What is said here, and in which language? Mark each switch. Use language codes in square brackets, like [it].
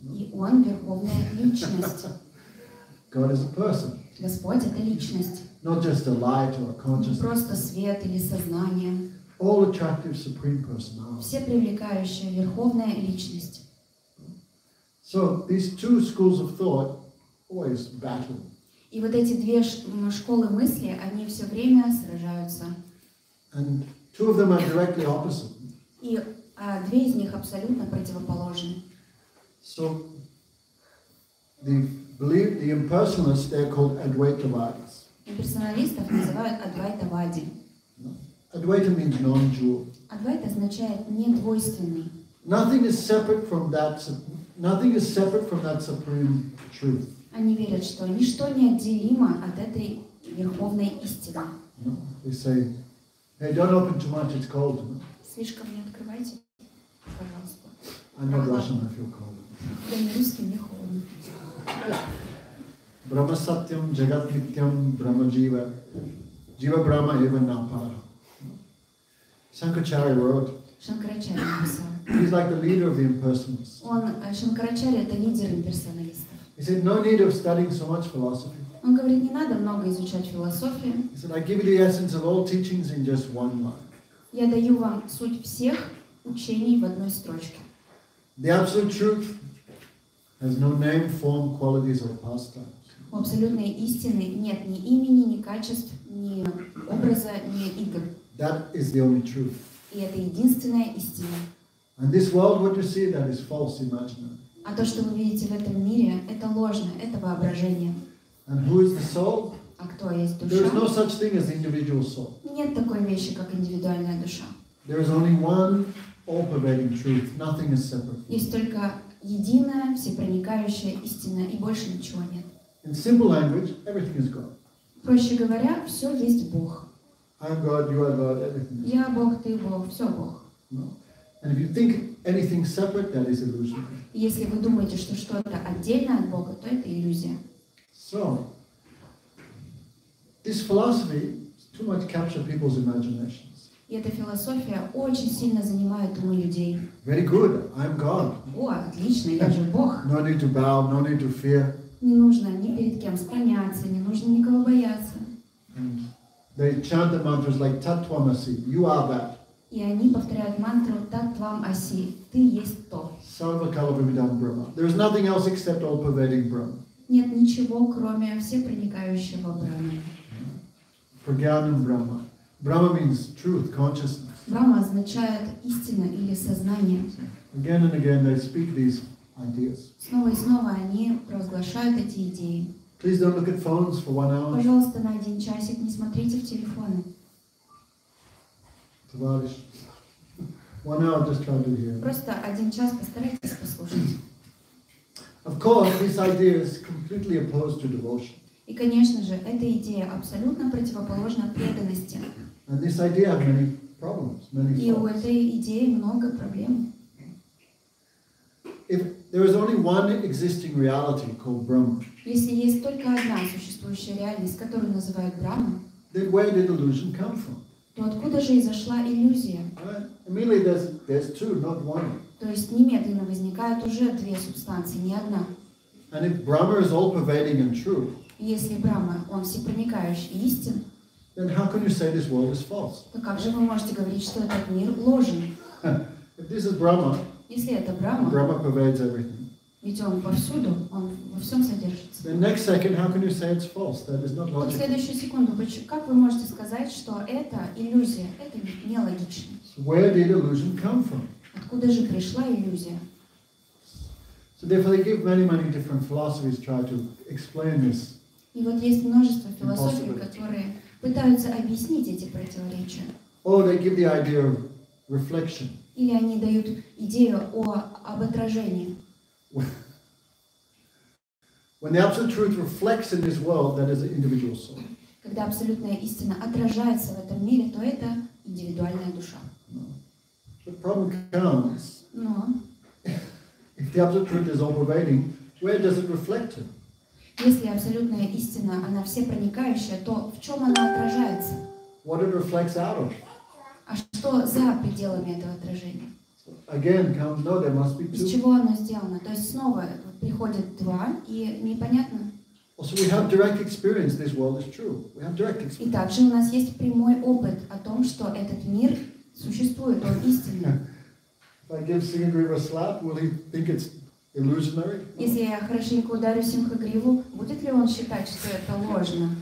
[ru] И он верховная личность. [en] God is a person. [ru] Господь это личность. [en] Not just a light or a consciousness. [ru] Просто свет или сознание. [en] All attractive supreme personalities. [ru] Все привлекающая верховная личность. [en] So these two schools of thought always battle. [ru] И вот эти две школы мысли, они все время сражаются. [en] And two of them are directly opposite. [ru] И две из них абсолютно противоположны. [en] So the belief, the impersonalists, they are called Advaitavadis. [ru] Имперсоналистов называют Адвайтавади. [en] Advaita means non-dual. [ru] Адвайта означает недвойственный. [en] Nothing is separate from that supreme truth. [ru] Они верят, что ничто не отделимо от этой верховной истины. [en] No, they say. Hey, don't open too much, it's cold. No? [ru] Слишком не открывайте, пожалуйста. [en] I'm not Russian, I feel cold. [ru] Я не русский, мне холодно. [sa] Brahma Satyam Jagat Nityam Brahma Jiva Jiva Brahma Eva Napara. [en] Shankaracharya wrote. [ru] Shankaracharya написал. [en] He's like the leader of the impersonalists. [ru] Он Shankaracharya — это лидер имперсоналистов. [en] He said, no need of studying so much philosophy. [ru] Он говорит, не надо много изучать философию. [en] He said, I give you the essence of all teachings in just one line. [ru] Я даю вам суть всех учений в одной строчке. [en] The absolute truth has no name, form, qualities or pastimes. [ru] У абсолютной истины нет ни имени, ни качеств, ни образа, ни игр. [en] That is the only truth. [ru] И это единственная истина. [en] And this world, what you see, that is false imagination. [ru] А то, что вы видите в этом мире, это ложно, это воображение. [en] And who is the soul? [ru] А кто есть душа? [en] There is no such thing as individual soul. [ru] Нет такой вещи, как индивидуальная душа. [en] There is only one all-pervading truth. Nothing is separate. [ru] Есть только единая, всепроникающая истина, и больше ничего нет. [en] In simple language, everything is God. [ru] Проще говоря, все есть Бог. [en] I'm God, you are God, everything is. [ru] Я Бог, ты Бог, все Бог. [en] No. And if you think anything separate, that is illusion. [ru] Если вы думаете, что что-то отдельно от Бога, то это иллюзия. [en] So, this philosophy too much captures people's imaginations. [ru] И эта философия очень сильно занимает ум людей. [en] Very good, I'm God. [ru] О, отлично, я же Бог. [en] No need to bow, no need to fear. [ru] Не нужно ни перед кем склоняться, не нужно никого бояться. [en] They chant the mantras like Tattvamasi, you are that. [ru] И они повторяют мантру Tattvamasi, ты есть то. [sa] Sarvakalpavidam Brahma. [en] There is nothing else except all pervading Brahma. [ru] Нет ничего, кроме всепроникающего Брахмы. [sa] Прагьянам Брахма. [en] Брахма means truth, consciousness. [ru] Брахма означает истина или сознание. [en] Again and again they speak these ideas. [ru] Снова и снова они провозглашают эти идеи. [en] Please don't look at phones for one hour. [ru] Пожалуйста, на один часик не смотрите в телефоны. [en] Товарищ. One hour, just try to hear. [ru] Просто один час постарайтесь послушать. [en] Of course, this idea is completely opposed to devotion. [ru] И, конечно же, эта идея абсолютно противоположна преданности. [en] And this idea has many problems, many [ru] И [en] thoughts. [ru] У этой идеи много проблем. [en] If there is only one existing reality called Brahma, [ru] если есть только одна существующая реальность, которую называют Брахма, [en] then where did illusion come from? [ru] То откуда же изошла иллюзия? [en] Immediately there's two, not one. [ru] То есть немедленно возникают уже две субстанции, не одна. [en] And if Brahma is all pervading and true, [ru] если Брахма, он всепроникающий и истин, [en] then how can you say this world is false? [ru] То как же вы можете говорить, что этот мир ложен? [en] If this is Brahma, [ru] если это Брахма, [en] Brahma pervades everything. [ru] Ведь он повсюду, он во всем содержится. [en] The next second, how can you say it's false? That is not logical. [ru] В следующую секунду, как вы можете сказать, что это иллюзия? Это нелогично. [en] So where did illusion come from? [ru] Откуда же пришла иллюзия? [en] So therefore, they give many, many different philosophies try to explain this. [ru] И вот есть множество философий, которые пытаются объяснить эти противоречия. [en] Or they give the idea of reflection. [ru] Или они дают идею об отражении. [en] When the absolute truth reflects in this world, that is an individual soul. [ru] Когда абсолютная истина отражается в этом мире, то это индивидуальная душа. [en] The problem comes. [ru] Но [en] if the absolute truth is all-pervading, where does it reflect to? [ru] Если абсолютная истина, она всепроникающая, то в чем она отражается? [en] What it reflects out of? [ru] А что за пределами этого отражения? [en] Again, comes, no, there must be two. [ru] Из чего оно сделано? То есть снова приходит два, и непонятно. [en] Also, we have direct experience. This world is true. We have direct experience. [ru] И также у нас есть прямой опыт о том, что этот мир существует, он истинный. [en] If I give Singhagriva a slap, will he think it's illusionary? [ru] Если я хорошенько ударю Сингхагриву, будет ли он считать, что это ложно?